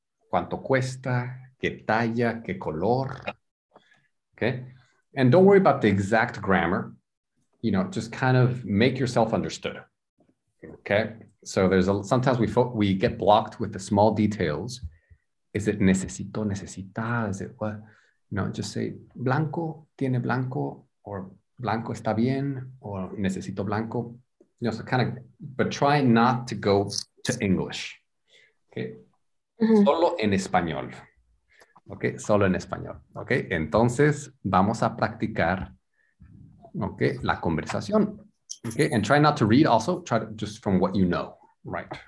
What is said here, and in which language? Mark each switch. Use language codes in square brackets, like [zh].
[es] ¿Cuánto cuesta? ¿Qué talla? ¿Qué color? Okay. [en] And don't worry about the exact grammar. You know, just kind of make yourself understood. Okay. So there's sometimes we get blocked with the small details. Is it necesito, necesita? Is it what? No, just say [es] blanco, tiene blanco, or blanco está bien, or necesito blanco. [en] You know, so kind of, but try not to go to English. [es] Okay. Mm-hmm. Solo en español. Ok, solo en español. Ok, entonces vamos a practicar, ok, la conversación. [en] Ok, and try not to read also, try to, just from what you know, right?